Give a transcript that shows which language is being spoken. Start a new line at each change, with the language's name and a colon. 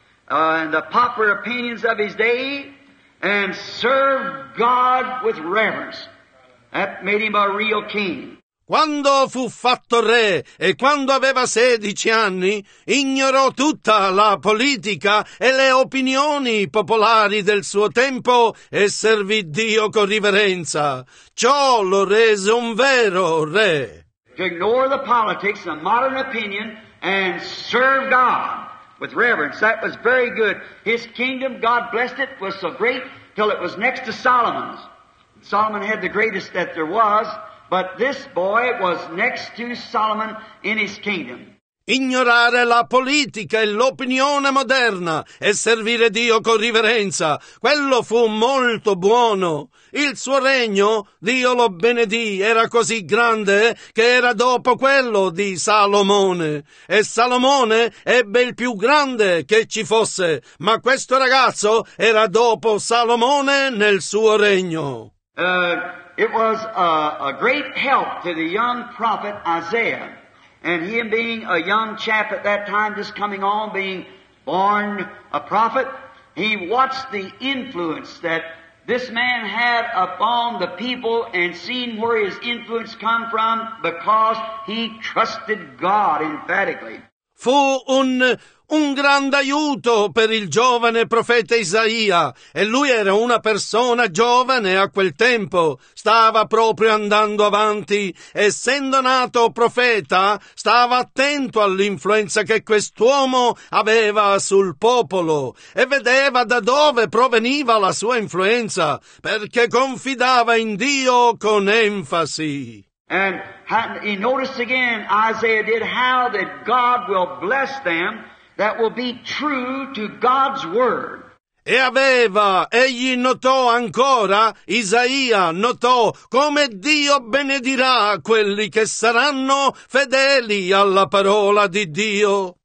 English: and the popular opinions of his day and serve God with reverence. That made him a real king.
Italian: Quando fu fatto re e quando aveva 16 anni, ignorò tutta la politica e le opinioni popolari del suo tempo e servì Dio con riverenza. Ciò lo rese un vero re.
English: To ignore the politics and modern opinion and serve God with reverence. That was very good. His kingdom, God blessed it, was so great till it was next to Solomon's. Solomon had the greatest that there was. But this boy was next to Solomon in his kingdom.
Italian: Ignorare la politica e l'opinione moderna e servire Dio con riverenza, quello fu molto buono. Il suo regno, Dio lo benedì, era così grande che era dopo quello di Salomone. E Salomone ebbe il più grande che ci fosse, ma questo ragazzo era dopo Salomone nel suo regno.
English: It was a great help to the young prophet Isaiah, and him being a young chap at that time, just coming on, being born a prophet, he watched the influence that this man had upon the people and seen where his influence come from because he trusted God emphatically.
Italian: Fu un grande aiuto per il giovane profeta Isaia, e lui era una persona giovane a quel tempo, stava proprio andando avanti, essendo nato profeta, stava attento all'influenza che quest'uomo aveva sul popolo, e vedeva da dove proveniva la sua influenza, perché confidava in Dio con enfasi.
English: And he noticed again, Isaiah did, how that God will bless them that will be true to God's word.
Italian: E aveva, egli notò ancora, Isaia notò come Dio benedirà quelli che saranno fedeli alla parola di Dio.